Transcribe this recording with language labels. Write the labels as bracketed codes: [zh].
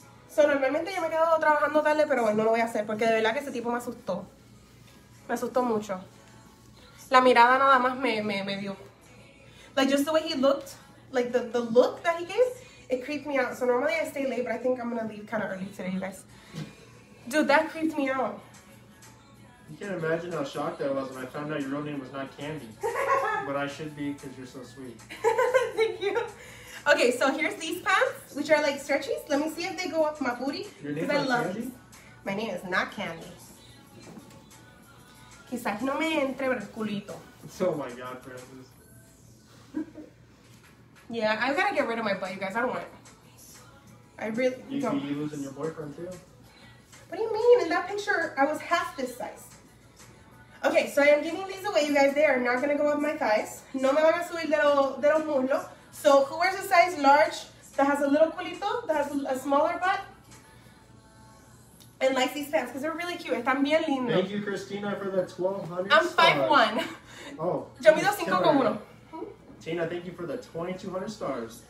[es] So, normalmente yo me he quedado trabajando tarde, pero bueno, no lo voy a hacer porque de verdad que ese tipo me asustó. Me asustó mucho. La mirada nada más me dio. [en] Like, just the way he looked, like the look that he gave, it creeped me out. So, normally I stay late, but I think I'm gonna leave kind of early today, you guys. Dude, that creeped me out. You can't imagine how shocked I was when I found out your real name was not Candy. But I should be because you're so sweet. Thank you. Okay, so here's these pants, which are like stretchies. Let me see if they go up my booty. Your name is Candy? My name is not Candy. [es] Quizás no me entre el culito. [en] Oh my god, Francis. Yeah, I've got to get rid of my butt, you guys. I don't want it. I really don't. You losing your boyfriend too? What do you mean? In that picture, I was half this size. Okay, so I am giving these away, you guys. They are not going to go up my thighs. [es] No me van a subir de los muslos. [en] So, who wears a size large that has a little culito, that has a smaller butt, and likes these pants? Because they're really cute. [es] Están bien lindos. [en] Thank you, Christina, for the 1,200 stars. I'm 5'1". Oh. [es] Yo mido 5 con 1. [en] Tina, thank you for the 2,200 stars.